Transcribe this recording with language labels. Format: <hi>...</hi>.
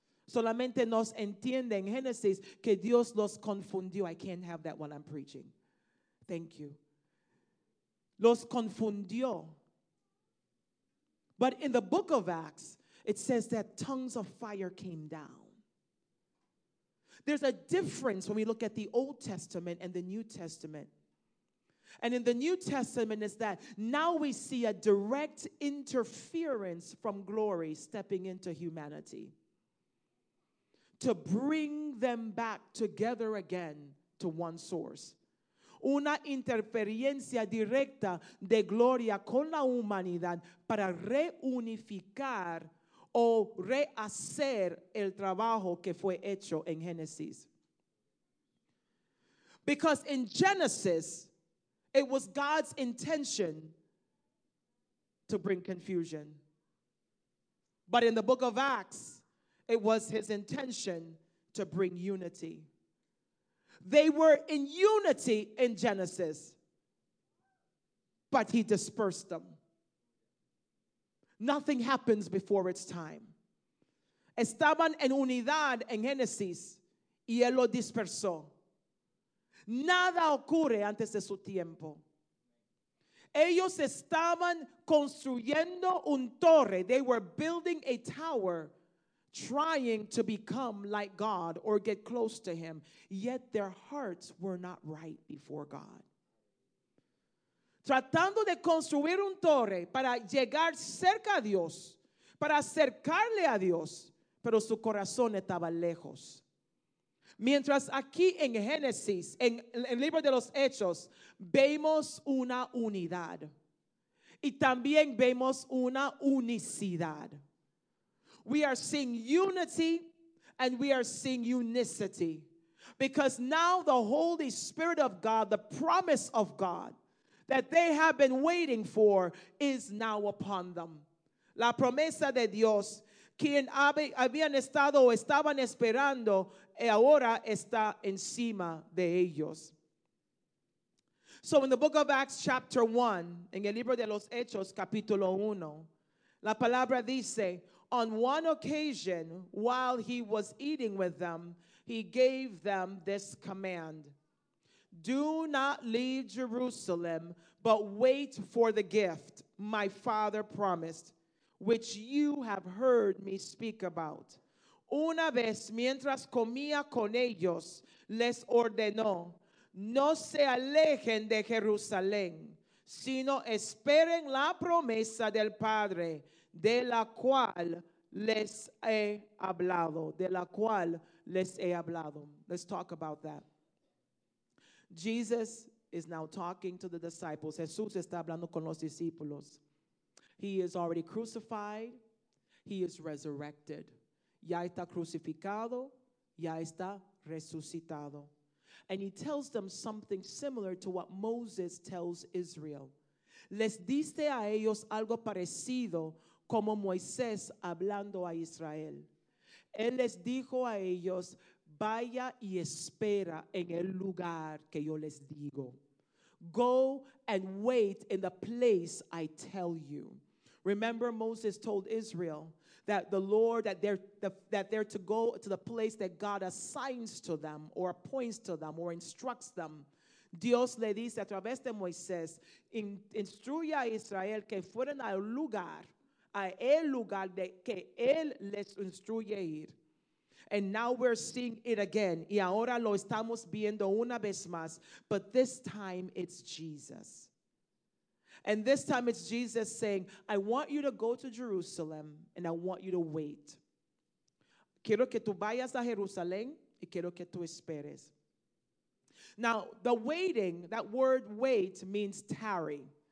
<es>Solamente nos entiende en Génesis que Dios los confundió.</es> <en>I can't have that while I'm preaching. Thank you.</en> <es>Los confundió.</es> <en>But in the book of Acts, it says that tongues of fire came down. There's a difference when we look at the Old Testament and the New Testament. And in the New Testament is that now we see a direct interference from glory stepping into humanity to bring them back together again to one source.</en> <es>Una interferencia directa de gloria con la humanidad para reunificar o rehacer el trabajo que fue hecho en Génesis.</es> <en>Because in Genesis, it was God's intention to bring confusion. But in the book of Acts, it was his intention to bring unity. They were in unity in Genesis, but he dispersed them. Nothing happens before its time.</en> <es>Estaban en unidad en Génesis y él lo dispersó. Nada ocurre antes de su tiempo. Ellos estaban construyendo un torre.</es> <en>They were building a tower, trying to become like God or get close to him. Yet their hearts were not right before God.</en> <es>Tratando de construir un torre para llegar cerca a Dios, para acercarle a Dios, pero su corazón estaba lejos. Mientras aquí en Génesis, en el libro de los Hechos, vemos una unidad. Y también vemos una unicidad.</es> <en>We are seeing unity and we are seeing unicity. Because now the Holy Spirit of God, the promise of God, that they have been waiting for is now upon them.</en> <es>La promesa de Dios, quien habían estado o estaban esperando, ahora está encima de ellos.</es> <en>So in the book of Acts chapter 1,</en> <es>en el libro de los Hechos capítulo 1, la palabra dice,</es> <en>On one occasion, while he was eating with them, he gave them this command. Do not leave Jerusalem, but wait for the gift my Father promised, which you have heard me speak about.</en> <es>Una vez, mientras comía con ellos, les ordenó, no se alejen de Jerusalén, sino esperen la promesa del Padre, de la cual les he hablado, de la cual les he hablado.</es> <en>Let's talk about that. Jesus is now talking to the disciples.</en> <es>Jesús está hablando con los discípulos.</es> <en>He is already crucified. He is resurrected.</en> <es>Ya está crucificado. Ya está resucitado.</es> <en>And he tells them something similar to what Moses tells Israel.</en> <es>Les dice a ellos algo parecido como Moisés hablando a Israel. Él les dijo a ellos, vaya y espera en el lugar que yo les digo.</es> <en>Go and wait in the place I tell you. Remember, Moses told Israel that the Lord, that they're to go to the place that God assigns to them or appoints to them or instructs them.</en> <es>Dios le dice a través de Moisés, instruye a Israel que fueran al lugar de que él les instruye ir.</es> <en>And now we're seeing it again.</en> <es>Y ahora lo estamos viendo una vez más.</es> <en>But this time it's Jesus. And this time it's Jesus saying, I want you to go to Jerusalem and I want you to wait.</en> <es>Quiero que tú vayas a Jerusalén y quiero que tú esperes.</es> <en>Now, the waiting, that word wait means tarry.</en>